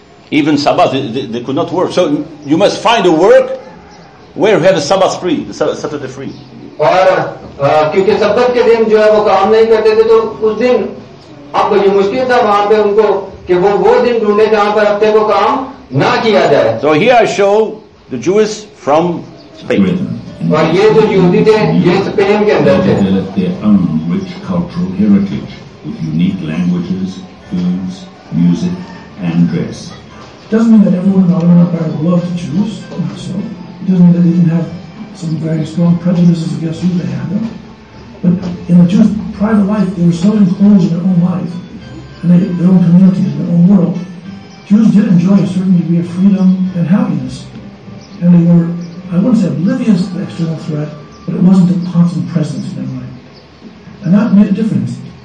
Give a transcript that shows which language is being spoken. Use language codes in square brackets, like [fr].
[en] Even Sabbath they could not work, so you must find a work where we have a Sabbath free, the Saturday free. [hi] और क्योंकि सब्बत के दिन जो है वो काम नहीं करते थे, तो उस दिन अब ये मुश्किल था वहां पे उनको कि वो दिन ढूंढे जहां पर हफ्ते को काम ना किया जाए। [en] So here I show the Jews from Spain. Britain, [hi] और ये जो यहूदी थे ये स्पेन के अंदर थे [en] Rich cultural heritage with unique languages foods music and dress. Doesn't mean that everyone in the Ottoman Empire loved Jews, not so. It doesn't mean that they didn't have some very strong prejudices against who they had them. But in the Jews' private life, they were so enclosed in their own life, and their own community, and their own world. Jews did enjoy a certain degree of freedom and happiness. And they were, I wouldn't say oblivious to the external threat, but it wasn't a constant presence in their mind. And that made a difference.